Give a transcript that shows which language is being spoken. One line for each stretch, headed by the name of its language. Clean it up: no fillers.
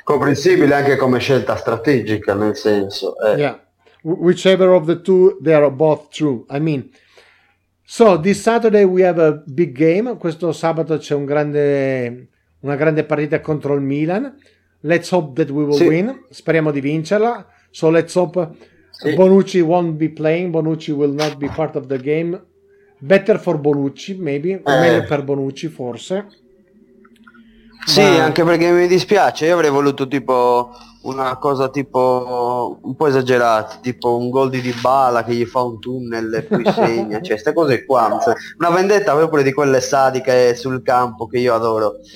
Italian: comprensibile anche come scelta strategica, nel senso.
English: Yeah, whichever of the two, they are both true. I mean, so this Saturday we have a big game.
Italian: Questo sabato c'è una grande partita contro il Milan.
English: Let's hope that we will win.
Italian: Speriamo di vincerla.
English: So let's hope. Sì. Bonucci won't be playing. Bonucci will not be part of the game. Better for Bonucci, maybe.
Italian: Meglio per Bonucci, forse. Sì, ma... anche perché mi dispiace. Io avrei voluto tipo una cosa tipo un po' esagerata, tipo un gol di Dybala che gli fa un tunnel e poi segna. Cioè, queste cose qua. Una vendetta proprio di quelle sadiche sul campo che io adoro.